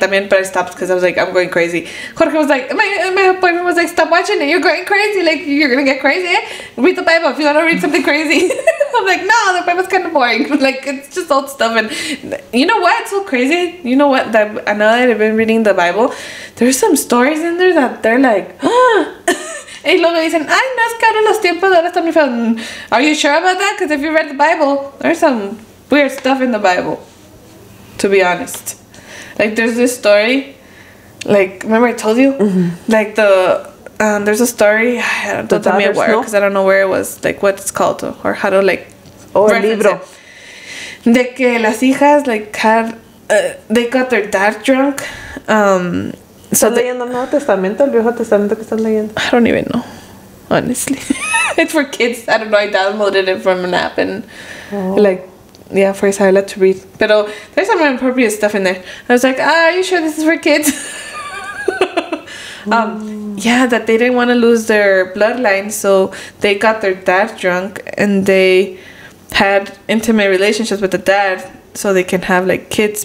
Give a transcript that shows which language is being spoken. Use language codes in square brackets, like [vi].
[es] También, [en] but I stopped because I was like, I'm going crazy. Jorge was like... My boyfriend was like, stop watching it. You're going crazy. Like, you're going to get crazy. Read the Bible if you want to read something crazy. I'm like, no, the Bible's kind of boring. Like, it's just old stuff. And you know what? It's so crazy. You know what? That I know that I've been reading the Bible. There's some stories in there that they're like... [es] Y luego dicen, ay, no, es que ahora los tiempos de ahora están muy feos. [en] Are you sure about that? Because if you read the Bible, there's some weird stuff in the Bible, to be honest. Like, there's this story, like, remember I told you? Mm-hmm. Like, there's a story, don't tell me where, because I don't know where it was, like, what it's called, or how to, like, reference libro. [es] De que las hijas, [en] like, had, they got their dad drunk, [es] So ¿Estás leyendo el Nuevo Testamento, el Viejo Testamento que estás leyendo? [en] I don't even know, honestly. It's for kids. I don't know, I downloaded it from an app and for Isabella to read. [es] Pero [en] there's some inappropriate stuff in there. I was like, are you sure this is for kids? that they didn't want to lose their bloodline, so they got their dad drunk and they had intimate relationships with the dad so they can have, like, kids.